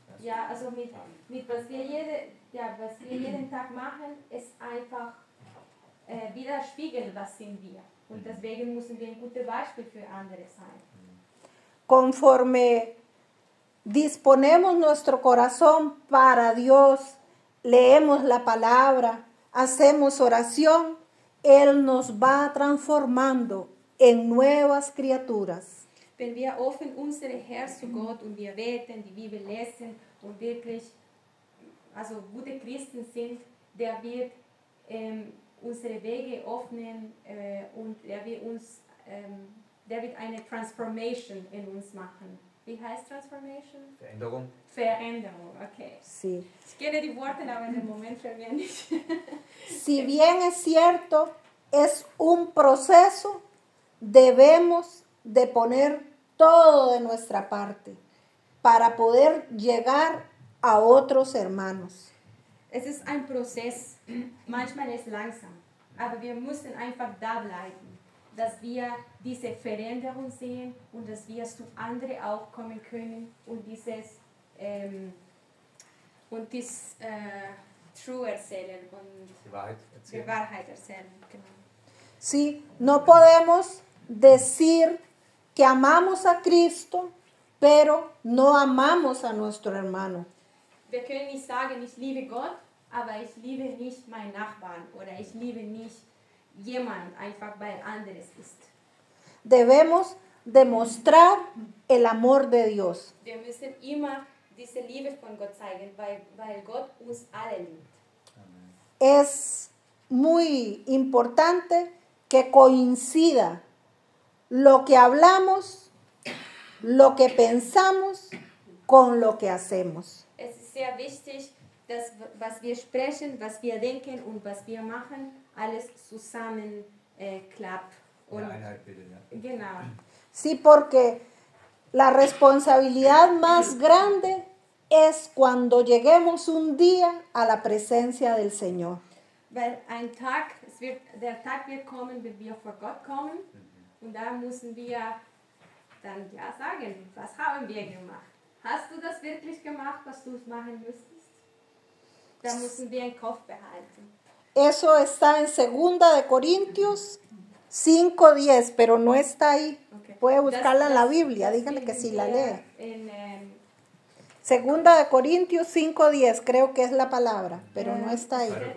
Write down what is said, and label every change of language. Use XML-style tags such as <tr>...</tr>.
<de>Ja, also mit was wir jeden Tag machen, ist einfach widerspiegeln, was sind wir. Und deswegen müssen wir ein gutes Beispiel für andere sein.</de> <es>Conforme disponemos nuestro corazón para Dios, leemos la palabra, hacemos oración, Él nos va transformando en nuevas criaturas.</es> <de>Wenn wir offen unser Herz zu Gott und wir beten, die Bibel lesen und wirklich also gute Christen sind, der wird unsere Wege öffnen und er wird uns der wird eine Transformation in uns machen. Wie heißt Transformation? Veränderung. Veränderung, okay.</de> <es>Sí.</es> <de>Ich kenne die Worte, aber im Moment für mich nicht.</de> <es>Si bien es cierto, es un proceso, debemos de poner todo de nuestra parte para poder llegar a otros hermanos.</es> <de>Es ist ein Prozess, manchmal ist langsam, aber wir müssen einfach da bleiben, dass wir diese Veränderung sehen und dass wir zu anderen auch kommen können und dieses und dies True erzählen und die Wahrheit erzählen. Genau.</de> <es>Sí, no podemos decir que amamos a Cristo, pero no amamos a nuestro hermano.</es> <de>Wir können nicht sagen, ich liebe Gott, aber ich liebe nicht meinen Nachbarn oder ich liebe nicht jemand, einfach weil anderes ist.</de> <es>Debemos demostrar el amor de Dios.</es> <de>Wir müssen immer diese Liebe von Gott zeigen, weil Gott uns alle liebt.</de> <es>Es muy importante que coincida lo que hablamos, lo que pensamos, con lo que hacemos.</es> <de>Es ist sehr wichtig, dass was wir sprechen, was wir denken und was wir machen, alles zusammen klappt. Und, Einheit bildet, ja. Genau.</de> <es>Sí, porque la responsabilidad más grande es cuando lleguemos un día a la presencia del Señor.</es> <de>Weil ein Tag, es wird, der Tag wird kommen, wenn wir vor Gott kommen. Und da müssen wir dann ja sagen, was haben wir gemacht? Hast du das wirklich gemacht, was du machen müsstest? Da müssen wir den Kopf behalten.</de> <es>Eso está en Segunda de Corintios 5:10, pero no está ahí. Okay. Puede buscarla en la Biblia, díganle que sí la lee. Segunda de Corintios 5:10, creo que es la palabra, pero no está ahí.</es>